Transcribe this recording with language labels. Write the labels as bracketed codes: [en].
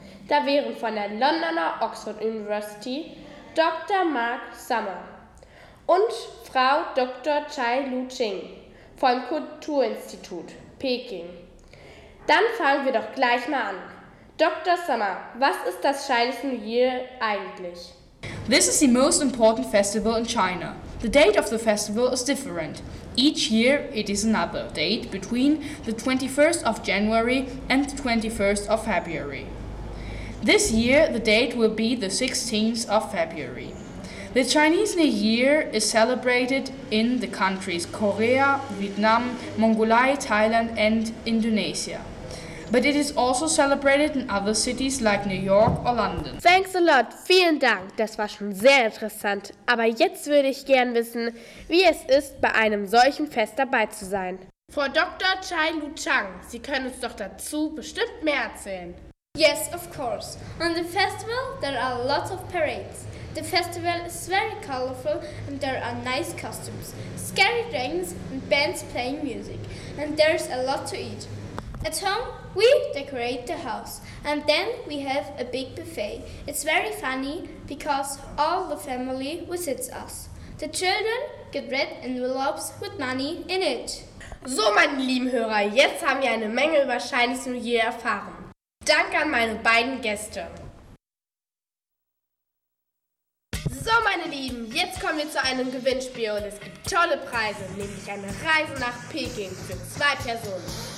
[de] Da wären von der Londoner Oxford University Dr. Mark Summer und Frau Dr. Chai Lu Ching vom Kulturinstitut Peking. Dann fangen wir doch gleich mal an. Dr. Summer, was ist das Chinese New Year eigentlich? [en] This is the most important festival in China. The date of the festival is different. Each year it is another date between the 21st of January and the 21st of February. This year the date will be the 16th of February. The Chinese New Year is celebrated in the countries Korea, Vietnam, Mongolia, Thailand and Indonesia. But it is also celebrated in other cities like New York or London. Thanks a lot. [de] Vielen Dank. Das war schon sehr interessant. Aber jetzt würde ich gern wissen, wie es ist, bei einem solchen Fest dabei zu sein. Frau Dr. Chai Lu Chang, Sie können uns doch dazu bestimmt mehr erzählen. [en] Yes, of course. On the festival, there are lots of parades. The festival is very colorful and there are nice costumes, scary dragons and bands playing music. And there's a lot to eat. At home, we decorate the house and then we have a big buffet. It's very funny because all the family visits us. The children get red envelopes with money in it. [de] So, meine lieben Hörer, jetzt haben wir eine Menge über Chinese New Year erfahren. Danke an meine beiden Gäste. So, meine Lieben, jetzt kommen wir zu einem Gewinnspiel und es gibt tolle Preise, nämlich eine Reise nach Peking für zwei Personen.